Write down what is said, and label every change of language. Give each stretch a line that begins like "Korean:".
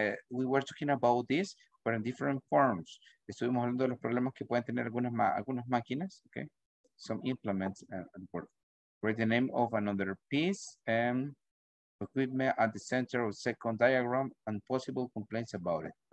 English: We were talking about this, but in different forms.
Spanish: Estuvimos hablando de los problemas que pueden tener algunas máquinas.
English: Okay. Some implements and work. Write the name of another piece and equipment at the center of second diagram and possible complaints about it.